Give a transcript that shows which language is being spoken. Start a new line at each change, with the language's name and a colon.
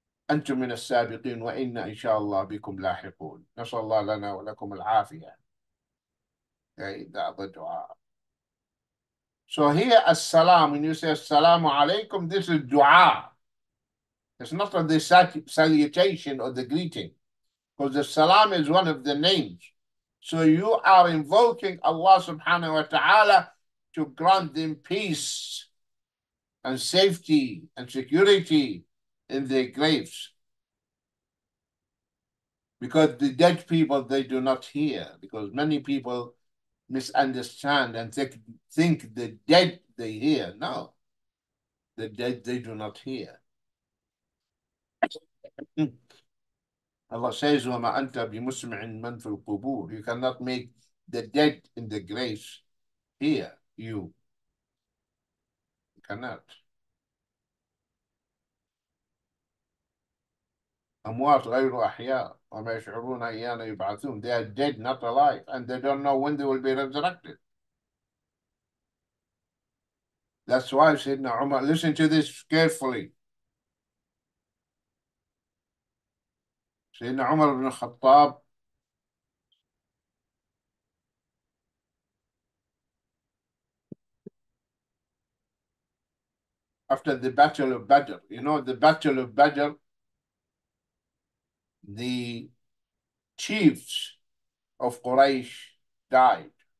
Arabic: أنتم من السابقين وإن إن شاء الله بكم لاحقون نسأل الله لنا ولكم العافية هذا الدعاء.
English: So here السلام, when you say
Arabic: السلام عليكم,
English: this is دعاء. It's not the salutation or the greeting, because the salam is one of the names. So you are invoking Allah subhanahu wa ta'ala to grant them peace and safety and security in their graves. Because the dead people, they do not hear, because many people misunderstand and think the dead, they hear. No, the dead, they do not hear. Allah says,
Arabic: وَمَا أَنْتَ بِمُسْمِعٍ مَنْ فِي الْقُبُورِ.
English: You cannot make the dead in the graves hear you. You cannot.
Arabic: أموات غير أحياء وما يشعرون أيان يبعثون.
English: They are dead, not alive, and they don't know when they will be resurrected. That's why Sayyidina Umar, listen to this carefully. Sayyidina Umar ibn Khattab, after the Battle of Badr, you know the Battle of Badr, the chiefs of Quraysh died.